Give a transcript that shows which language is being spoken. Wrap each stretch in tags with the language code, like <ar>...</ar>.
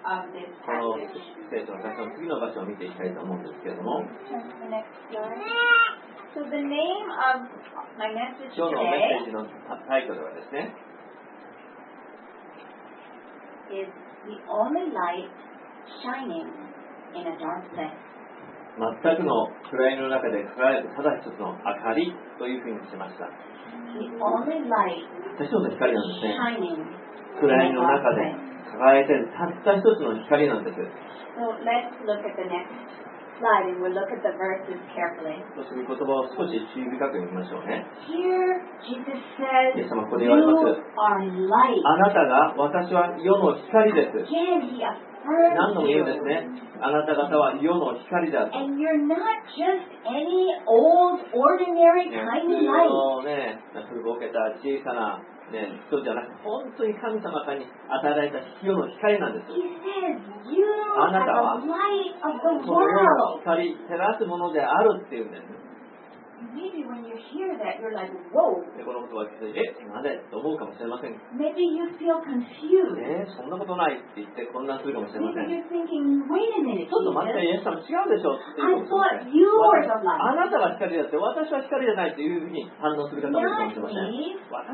<en>So the name of my message today is the only light shining in a dark place.</en> <ja>全くの暗闇の中で輝くただ一つの明かりというふうにしました。</ja> <en>The only light shining in the darkness.</en> <ja>暗闇の中で輝いているたった一つの光なんです。</ja> <en>So let's look at the next slide and we'll look at the verses carefully.</en> <ja>そして言葉を少し注意深く読みましょうね。</ja> <en>Here Jesus says,</en> <ja>イエス様ここで言われます。</ja> <en>You are light.</en> <ja>あなたが私は世の光です。</ja> <en>Again, he affirms.</en> <ja>何度も言うんですね。あなた方は世の光だと。</ja> <en>And you're not just any old, ordinary kind of light.</en> <ja>もうね、なくぼけた小さな、ね、人じゃなくて、本当に神様からに与えられた世の光なんです。</ja> <en>He says, you</en> <ja>あなたは</ja> <en>are the light of the world.</en> <ja>その世の光、照らすものであるっていうんです。</ja> <en>Maybe when you hear that, you're like, whoa.</en> <ja>でこのことは聞いて、え、なぜ？と思うかもしれません。</ja> <en>Maybe you feel confused.</en> <ja>え、そんなことないって言って混乱するかもしれません。</ja> <en>Maybe you're thinking, wait a minute.</en> <ja>ちょっと待って、イエス様違うでしょって言うかもしれません。</ja> <en>I thought you were the light.</en> <ja>あなたが光だって、私は光じゃないというふうに反応する方もいるかもしれません。</ja>